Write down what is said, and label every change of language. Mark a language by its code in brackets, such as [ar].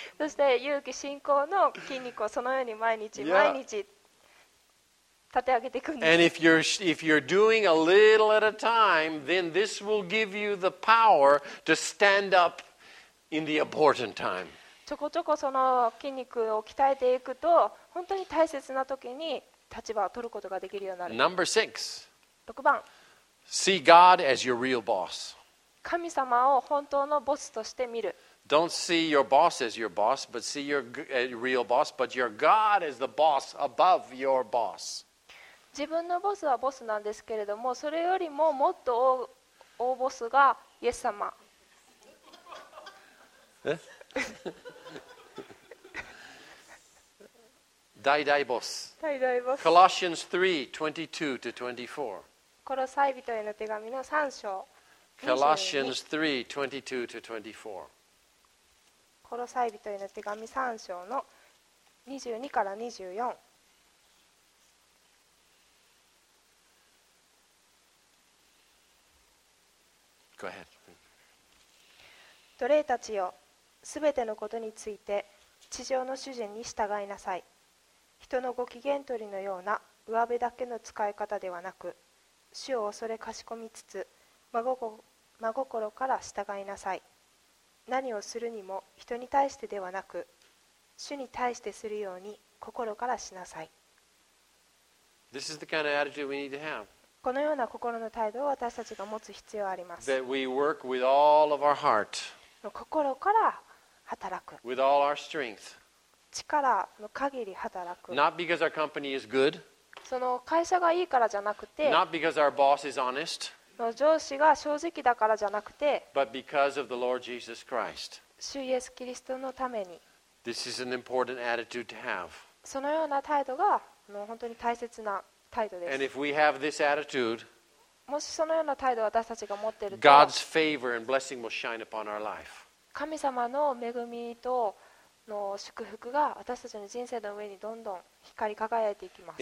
[ja] そして勇気信仰の筋肉をそのように毎日、 yeah. 毎日立て上げていくんです。 [en] And if you're doing a little at a time, then this will give you the power to stand up in the important time. [ja] ちょこちょこその筋肉を鍛えていくと本当に大切な時に立場を取ることができるようになる。 [en] Number six. [ja] 6番。 [en] See God as your real boss. [ja] 神様を本当のボスとして見る。 [en] Don't see your boss as your boss, but see your real boss, but your God is the boss above your boss. [ja] 自分のボスはボスなんですけれども、それよりももっと 大ボスがイエス様。大大ボス。大大ボス。 [en] Colossians 3:22 to 24. [ja] コロサイ人への手紙の3章。 [en] Colossians 3:22 to 24. [ja] コロサイ人への手紙3章の22から24 [en] Go ahead. [ja] 奴隷たちよ、すべてのことについて地上の主人に従いなさい。人のご機嫌取りのような上辺だけの使い方ではなく、主を恐れかしこみつつ真心から従いなさい。何をするにも人に対してではなく、主に対してするように心からしなさい。 [en] This is the kind of attitude we need to have. [ja] このような心の態度を私たちが持つ必要があります。 [en] That we work with all of our heart. [ja] 心から働く。 [en] With all our strength. [ja] 力の限り働く。 [en] Not because our company is good. [ja] その会社がいいからじゃなくて。 [en] Not because our boss is honest. [ja] 上司が正直だからじゃなくて、 [en] But because of the Lord Jesus Christ. [ja] 主イエス・キリストのために、 [en] This is an important attitude to have. [ja] そのような態度が本当に大切な態度です。 [en] And if we have this attitude, [ja] もしそのような態度を私たちが持っていると、 [en] God's favor and blessing will shine upon our life. [ja] 神様の恵みとの祝福が私たちの人生の上にどんどん光り輝いていきます。